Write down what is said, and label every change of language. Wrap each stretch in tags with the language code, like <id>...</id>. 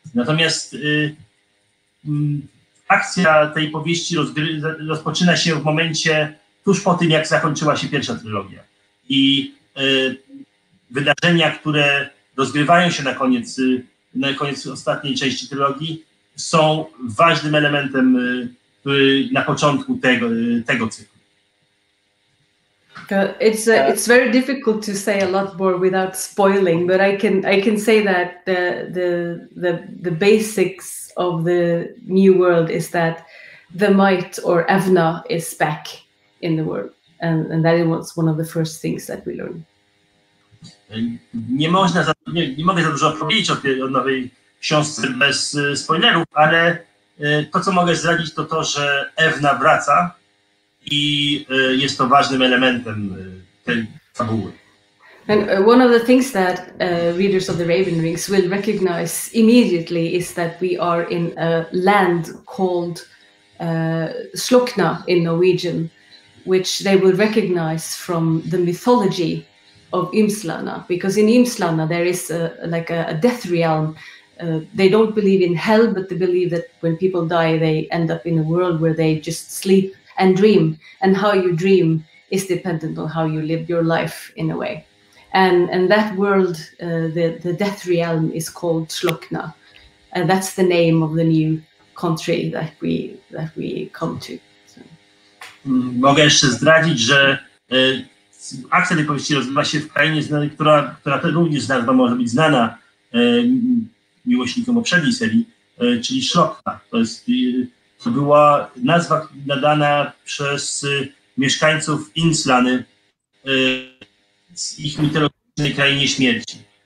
<pl>Natomiast akcja tej powieści rozpoczyna się w momencie tuż po tym, jak zakończyła się pierwsza trylogia. I wydarzenia, które rozgrywają się na koniec ostatniej części trylogii, są ważnym elementem na początku tego cyklu.</pl> <en>It's very difficult to say a lot more without spoiling, but I can say that the basics of the new world is that the might or evna is back in the world. And that was one of the first things that we learned.</en> <pl>Nie można, nie mogę za dużo powiedzieć o tej nowej książce bez spoilerów, ale to, co mogę zdradzić, to to, że Ewna wraca i jest to ważnym elementem tej fabuły.</pl> <en>And one of the things that readers of the Raven Rings will recognize immediately is that we are in a land called Slokna in Norwegian, which they will recognize from the mythology of Ymslana, because in Ymslana there is a death realm. They don't believe in hell, but they believe that when people die, they end up in a world where they just sleep and dream. And how you dream is dependent on how you live your life, in a way. And that world, the death realm, is called Slokna, and that's the name of the new country that we come to.</en> <pl>Mogę jeszcze zdradzić, że akcja tej powieści rozgrywa się w krainie, która również nazwa może być znana miłośnikom poprzedniej serii, czyli Szlokna. To była nazwa nadana przez mieszkańców Inslany z ich mitologicznej krainie śmierci.</pl>